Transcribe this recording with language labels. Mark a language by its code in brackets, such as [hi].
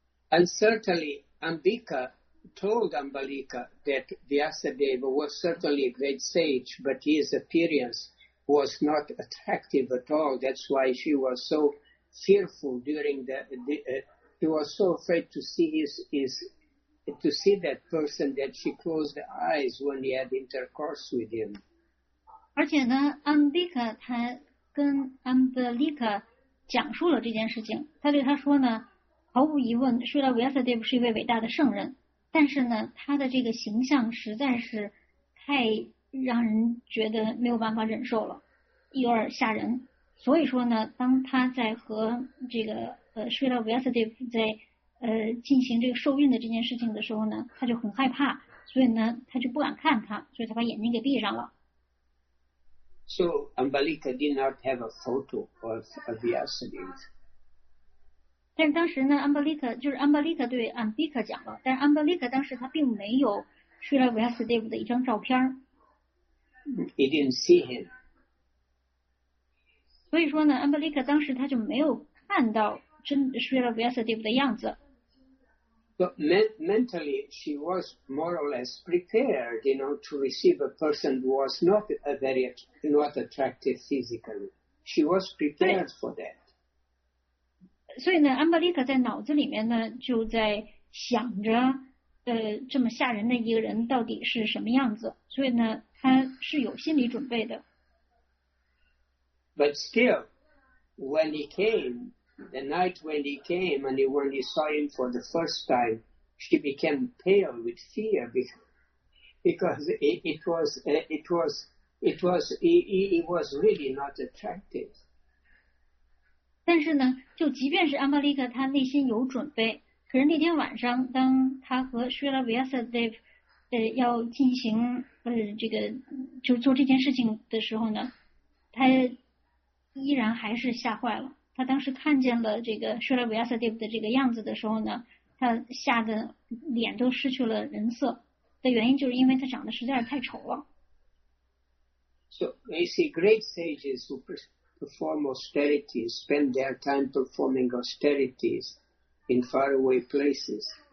[en] And certainly Ambika told Ambalika that Vyasadeva was certainly a great sage, but his appearance was not attractive at all. That's why she was so fearful during she was so afraid to see his that person that she closed the eyes when he had intercourse with him. [zh] 而且呢，安比卡他跟安布利卡讲述了这件事情，他对他说呢，毫无疑问，舍拉维亚萨蒂夫是一位伟大的圣人，但是呢，他的这个形象实在是太让人觉得没有办法忍受了，有点吓人。所以说呢，当他在和这个舍拉维亚萨蒂夫在进行这个受孕的这件事情的时候呢，他就很害怕，所以呢，他就不敢看他，所以他把眼睛给闭上了。 [en] So Ambalika did not have a photo of Vyasadeva. [zh] 但是当时呢，Ambalika 对 Ambika 讲了，但是 Ambalika 当时他并没有 Srila Vyasadeva 的一张照片。 [en] He didn't see him. [zh] 所以说呢，Ambalika 当时他就没有看到真 Srila Vyasadeva 的样子。 [en] But mentally, she was more or less prepared, you know, to receive a person who was not a very not attractive physically. She was prepared for that. [zh] 所以呢，安巴利卡在脑子里面呢，就在想着，这么吓人的一个人到底是什么样子。所以呢，他是有心理准备的。 [en] But still, when he came. The night when he came and when he saw him for the first time, she became pale with fear because it was really not attractive. [zh] 但是呢，就即便是安巴利卡，他内心有准备，可是那天晚上，当他和 Srila Vyasadeva 要进行这个就做这件事情的时候呢，他依然还是吓坏了。他当时看见了这个 Srila Vyasadeva 的这个样子的时候呢，他吓得脸都失去了人色。的原因就是因为他长得实在是太丑了。 [en] So we see great sages who perform austerities, spend their time performing austerities in faraway places.